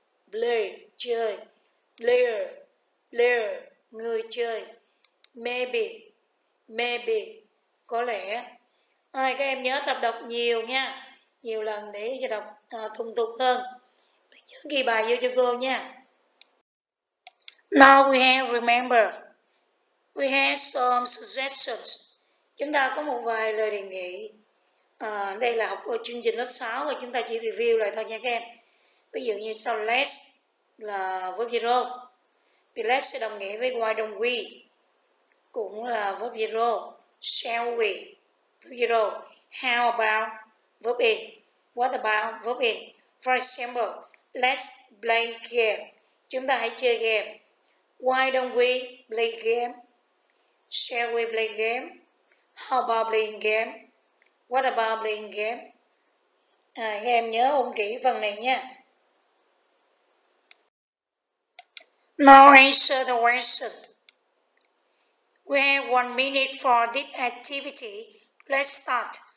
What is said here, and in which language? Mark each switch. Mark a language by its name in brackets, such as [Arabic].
[Vietnamese] Play, chơi. Player, người chơi. Maybe, có lẽ. Các em nhớ tập đọc nhiều nha, nhiều lần để cho đọc thuần thục hơn. Nhớ ghi bài vô cho cô nha. [English] Now we have, remember, we have some suggestions. [Vietnamese] Chúng ta có một vài lời đề nghị. Đây là học chương trình lớp 6 và chúng ta chỉ review lại thôi nha các em. Ví dụ như sau less là verb zero, thì less sẽ đồng nghĩa với [English] why don't we, [Vietnamese] cũng là [English] verb zero. Shall we, verb zero. How about, verb in. What about, verb in. For example, let's play game. [Vietnamese] Chúng ta hãy chơi game. [English] Why don't we play game? Shall we play game? How about playing game? What about playing game? [Vietnamese] Các em nhớ ôn kỹ phần này nha. [English] Now answer the question. We have 1 minute for this activity. Let's start.